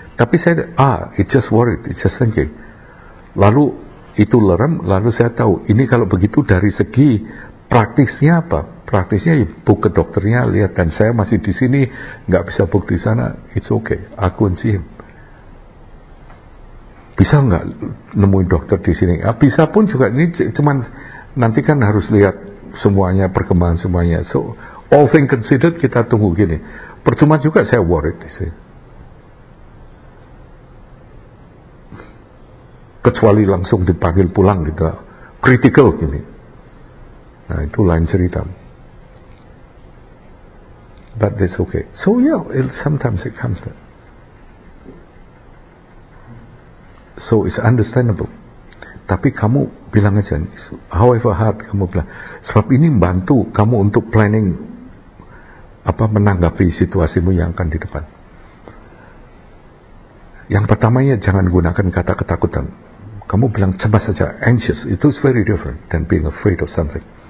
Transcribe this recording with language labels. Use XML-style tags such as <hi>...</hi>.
<id>Tapi saya,</id> <en>it's just worried, it's just thinking.</en> <id>Lalu itu lerem, lalu saya tahu, ini kalau begitu dari segi praktisnya apa? Praktisnya ya, book ke dokternya, lihat, dan saya masih di sini, enggak bisa book di sana,</id> <en>it's okay, I couldn't see him.</en> <id>Bisa enggak nemuin dokter di sini? Bisa pun juga, ini cuman nanti kan harus lihat semuanya, perkembangan semuanya.</id> <en>So, all things considered,</en> <id>kita tunggu gini. Percuma juga saya worried di sini. Kecuali langsung dipanggil pulang gitu, critical gini. Nah, itu lain cerita.</id> <en>But it's okay. So yeah, sometimes it comes there. So it's understandable.</en> <id>Tapi kamu bilang aja,</id> <en>however hard</en> <id>kamu bilang, sebab ini membantu kamu untuk planning apa, menanggapi situasimu yang akan di depan. Yang pertamanya jangan gunakan kata ketakutan. Kamu bilang cemas saja,</id> <en>anxious, itu is very different than being afraid of something.</en>